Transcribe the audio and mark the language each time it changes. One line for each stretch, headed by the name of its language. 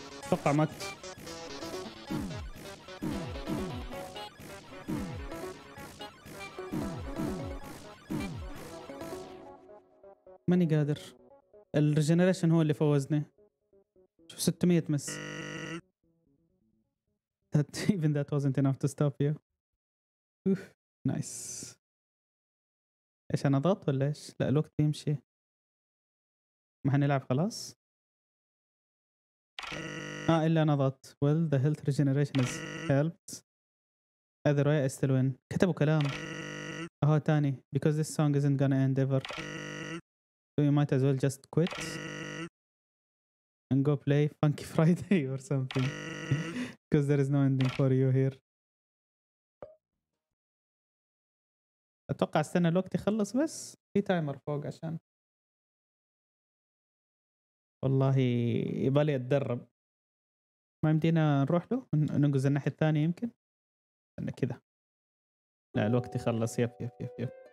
Arabic: توقع مات. ماني قادر. الريجنريشن هو اللي فوزني. شوف 600 مس.
English: That even that wasn't enough to stop you.
Arabic: نايس. ايش انا ضغط ولا ايش؟ لا الوقت يمشي. ما هنلعب خلاص. الا انا ضغط.
English: Well the health regeneration has helped. Either way I still win.
Arabic: كتبوا كلام. تاني.
English: Because this song isn't gonna end ever. So you might as well just quit. And go play Funky Friday or something. Because there is no ending for you here.
Arabic: أتوقع استنى الوقت يخلص بس في تايمر فوق عشان والله يبالي أتدرب. ما يمدينا نروح له ننقز الناحية الثانية يمكن استنى كذا. لا الوقت يخلص. يب يب يب يب.